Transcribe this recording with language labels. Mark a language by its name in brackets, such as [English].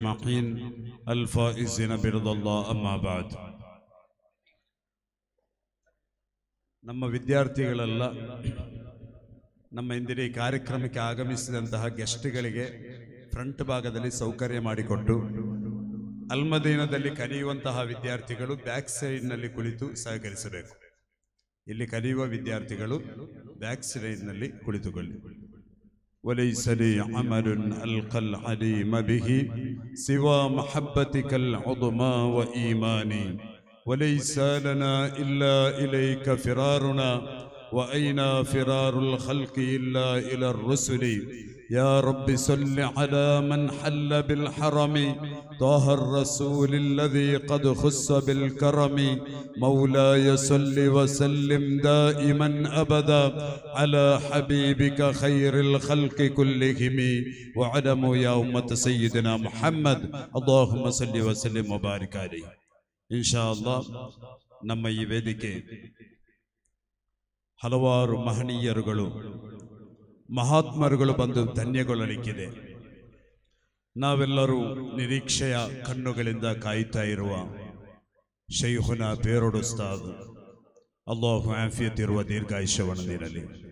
[Arabic] مقين الفائزين برضا الله. أما بعد، [Kannada] ನಮ್ಮ ವಿದ್ಯಾರ್ಥಿಗಳೆಲ್ಲ ನಮ್ಮ ಇಂದಿನ ಈ ಕಾರ್ಯಕ್ರಮಕ್ಕೆ ಆಗಮಿಸಿದಂತಹ ಗೆಸ್ಟ್ಗಳಿಗೆ ಫ್ರಂಟ್ ಭಾಗದಲ್ಲಿ ಸೌಕರ್ಯ ಮಾಡಿಕೊಟ್ಟು, ಅಲ್ಮದೀನದಲ್ಲಿ ಕಲಿಯುವಂತಹ ವಿದ್ಯಾರ್ಥಿಗಳು ಬ್ಯಾಕ್ ಸೈಡ್ನಲ್ಲಿ ಕುಳಿತು ಸಹಕರಿಸಬೇಕು. ಇಲ್ಲಿ ಕಲಿಯುವ ವಿದ್ಯಾರ್ಥಿಗಳು ಬ್ಯಾಕ್ ಸೈಡ್ನಲ್ಲಿ ಕುಳಿತುಕೊಳ್ಳಿ. [Arabic] وليس لي عمل ألقى العليم به سوى محبتك العظمى وإيماني وليس لنا إلا إليك فرارنا وأين فرار الخلق إلا إلى الرسل يا رب صل على من حل بالحرم طه الرسول الذي قد خص بالكرم مولاي صل وسلم دائما أبدا على حبيبك خير الخلق كلهم واعلموا يا أمة سيدنا محمد اللهم صل وسلم وبارك عليه. [Kannada] ಇನ್ ಶಾ ಅಲ್ಲಾ, ನಮ್ಮ ಈ ವೇದಿಕೆ ಹಲವಾರು ಮಹನೀಯರುಗಳು, ಮಹಾತ್ಮರುಗಳು ಬಂದು ಧನ್ಯಗೊಳ್ಳಲಿಕ್ಕಿದೆ. ನಾವೆಲ್ಲರೂ ನಿರೀಕ್ಷೆಯ ಕಣ್ಣುಗಳಿಂದ ಕಾಯುತ್ತಾ ಇರುವ ಶೈಹುನ ಪೇರೊಡುಸ್ತಾದ್ ಅಲ್ಲಾಹು ಆಫಿಯತ್ ಇರುವ ದೀರ್ಘಾಯುಷ್ಯವನ್ನು ನೀಡಲಿ.